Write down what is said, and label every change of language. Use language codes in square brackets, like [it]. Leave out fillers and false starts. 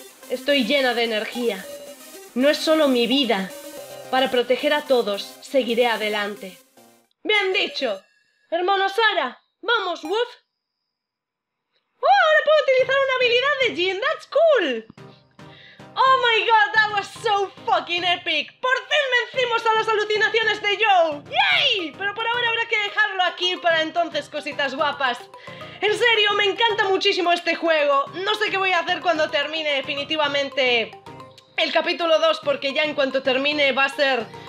[es] Estoy llena de energía. No es solo mi vida. Para proteger a todos, seguiré adelante. ¡Bien dicho! ¡Hermano Sara! ¡Vamos, Wolf! ¡Oh, ahora puedo utilizar una habilidad de Jean! [en] ¡That's cool! ¡Oh my god, that was so fucking epic! [es] ¡Por fin vencimos a las alucinaciones de Joe! ¡Yay! Pero por ahora habrá que dejarlo aquí para entonces, cositas guapas. En serio, me encanta muchísimo este juego. No sé qué voy a hacer cuando termine definitivamente el capítulo 2, porque ya en cuanto termine va a ser